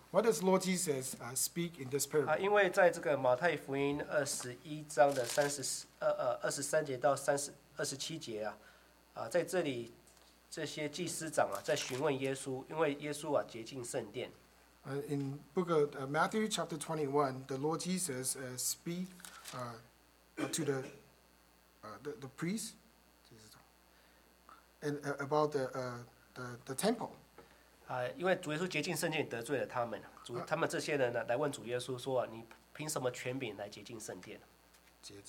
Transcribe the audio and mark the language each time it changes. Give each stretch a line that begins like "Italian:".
English: ？What does Lord Jesus speak in this parable？
Chinese: 因为在这个马太福音二十一章的三十二十三节到二十七节啊。在这里，这些祭司长啊，在询问耶稣，因为耶稣啊洁净圣殿。
English: In book of Matthew chapter 21, the Lord Jesus speak to the priest, and about the temple.
Chinese: 因为主耶稣洁净圣殿得罪了他们，他们这些人呢来问主耶稣说：“你凭什么权柄来洁净圣殿？”